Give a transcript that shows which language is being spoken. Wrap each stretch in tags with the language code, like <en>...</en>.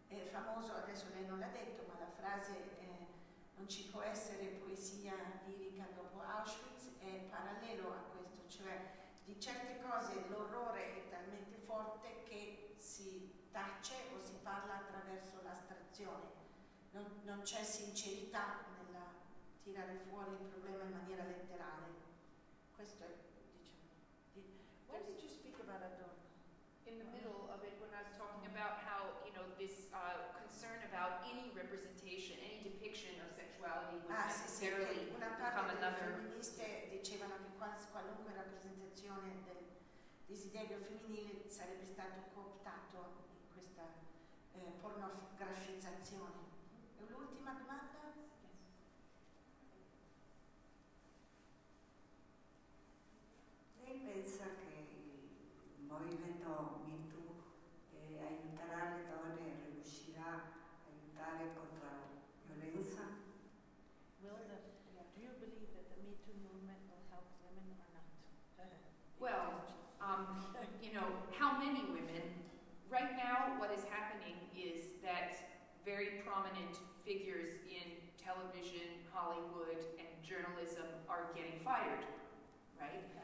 <it>famoso, adesso lei non l'ha detto, ma la frase non ci può essere poesia lirica dopo Auschwitz è parallelo a questo, cioè di certe cose l'orrore è talmente forte che si tace o si parla attraverso l'astrazione, non c'è sincerità nella tirare fuori il problema in maniera letterale. Questo è, diciamo.</it> <en>Why did you speak about Adorno? In the middle of it, when I was talking about how, you know, this concern about any representation, any depiction of sexuality would necessarily</en> <it>una parte</it> <en>become another.</en> <it>Delle femministe dicevano che qualunque rappresentazione del desiderio femminile sarebbe stato cooptato in questa pornografizzazione. E un'ultima domanda? Lei pensa che il movimento MeToo aiuterà le donne e riuscirà a aiutare contro la violenza?</it> <en>Do you believe that the MeToo movement will help women or not? Well, you know, how many women? Right now, what is happening is that very prominent figures in television, Hollywood, and journalism are getting fired, right?</en>